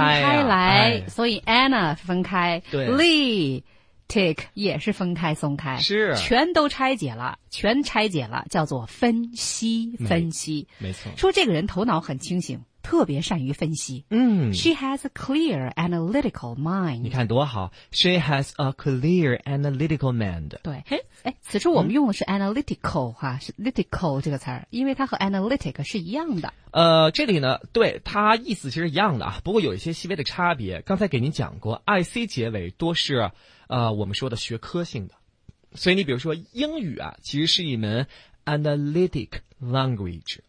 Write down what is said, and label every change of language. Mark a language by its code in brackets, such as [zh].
[zh] 分开来、哎、所以 Anna 分开，对 Lee Take 也是分开松开，是全都拆解了，全拆解了，叫做分析分析。没错，说这个人头脑很清醒，特别善于分析。嗯 [en] ，She has a clear analytical mind。 [zh] 你看多好 [en] ，She has a clear analytical mind。 [zh] 对，哎，此处我们用的是 analytical 哈、嗯，是 lytical 这个词儿，因为它和 analytic 是一样的。这里呢，对它意思其实一样的啊，不过有一些细微的差别。刚才给您讲过 ，IC 结尾多是我们说的学科性的，所以你比如说英语啊，其实是一门 analytic language。